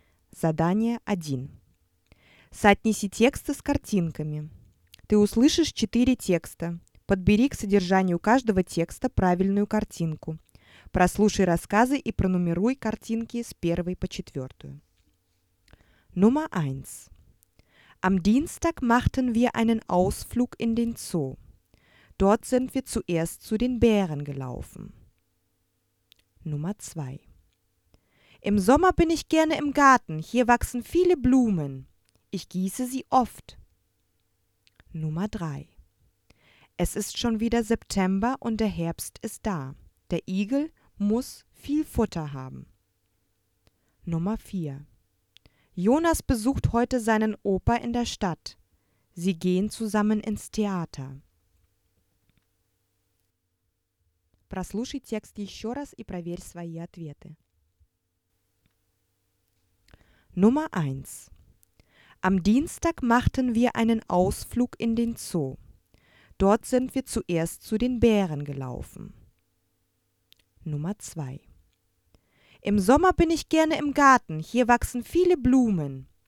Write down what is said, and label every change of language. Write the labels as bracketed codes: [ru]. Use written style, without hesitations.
[ru] Задание 1. Соотнеси тексты с картинками. Ты услышишь 4 текста. Подбери к содержанию каждого текста правильную картинку. Прослушай рассказы и пронумеруй картинки с 1 по 4. [de] Nummer 1. Am Dienstag machten wir einen Ausflug in den Zoo. Dort sind wir zuerst zu den Bären gelaufen. Nummer 2. Im Sommer bin ich gerne im Garten. Hier wachsen viele Blumen. Ich gieße sie oft. Nummer 3. Es ist schon wieder September und der Herbst ist da. Der Igel muss viel Futter haben. Nummer 4. Jonas besucht heute seinen Opa in der Stadt. Sie gehen zusammen ins Theater. [ru] Прослушай текст еще раз и проверь свои ответы. [de] Nummer 1. Am Dienstag machten wir einen Ausflug in den Zoo. Dort sind wir zuerst zu den Bären gelaufen. Nummer 2. Im Sommer bin ich gerne im Garten. Hier wachsen viele Blumen.